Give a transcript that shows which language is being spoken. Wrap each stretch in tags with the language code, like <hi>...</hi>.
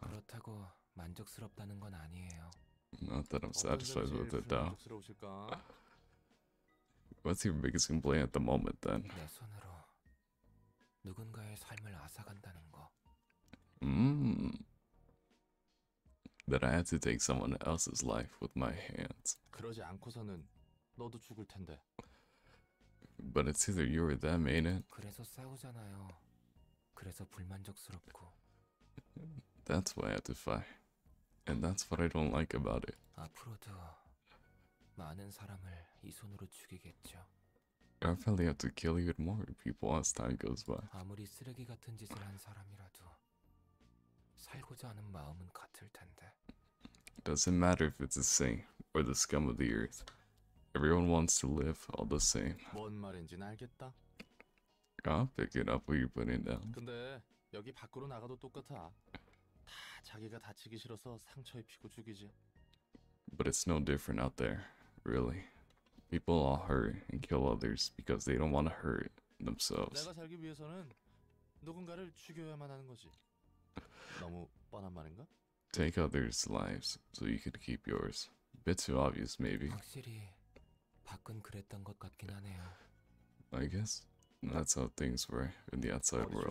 <ko>그렇다고 만족스럽다는 건 아니에요.</ko> <en>Not that I'm satisfied with it, though. What's your biggest complaint at the moment, then?</en> <ko>내 손으로 누군가의 삶을 앗아간다는 거.</ko> <en>That I had to take someone else's life with my hands.</en> <ko>그러지 않고서는 너도 죽을 텐데.</ko> <en>but it's either you or them, ain't it?</en> <ko>그래서 싸우잖아요. 그래서 불만족스럽고.</ko> <en>That's why I have to fight. And that's what I don't like about it.</en> <ko>앞으로도 많은 사람을 이 손으로 죽이겠죠.</ko> <en>I probably have to kill even more people as time goes by.</en> <ko>아무리 쓰레기 같은 짓을 한 사람이라도 살고자 하는 마음은 같을 텐데.</ko> <en>Doesn't matter if it's a saint or the scum of the earth. Everyone wants to live all the same.</en> <ko>뭔 말인지는 알겠다.</ko> <en>I'll pick it up what you're putting down.</en> <ko>근데 여기 밖으로 나가도 똑같아. 다 자기가 다치기 싫어서 상처 입히고 죽이지.</ko> <en>But it's no different out there, really. People all hurt and kill others because they don't want to hurt themselves.</en> <ko>내가 살기 위해서는 누군가를 죽여야만 하는 거지. 너무 뻔한 말인가?</ko> <en>Take others' lives so you could keep yours. Bit too obvious, maybe.</en> <ko>확실히 밖은 그랬던 것 같긴 하네요.</ko> <en>I guess that's how things were in the outside world.</en>